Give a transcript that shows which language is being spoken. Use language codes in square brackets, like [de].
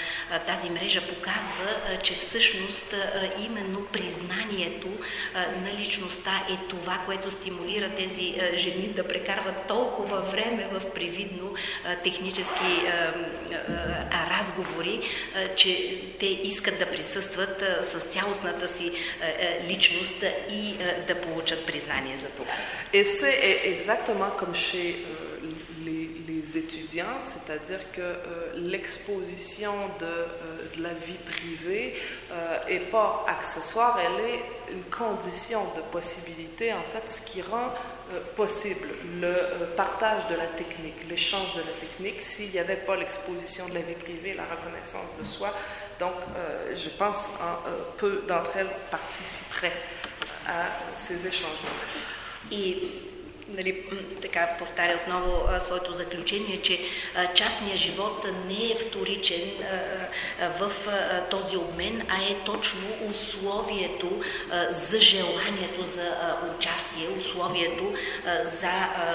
[bg] на тази мрежа показва, че всъщност именно признанието на личността е това, което стимулира тези жени да прекарват толкова време в привидно технически разговори, че те искат да присъстват с цялостната си личност и да получат признание за това. [fr] Et c'est exactement comme chez les étudiants, c'est-à-dire que l'exposition de la vie privée est pas accessoire, elle est une condition de possibilité, en fait, ce qui rend possible le partage de la technique, l'échange de la technique, s'il n'y avait pas l'exposition de la vie privée, la reconnaissance de soi. Donc, je pense hein, peu d'entre elles participeraient à ces échanges-là. [bg] Нали, така повтаря отново своето заключение, че частният живот не е вторичен в този обмен, а е точно условието за желанието за участие, условието за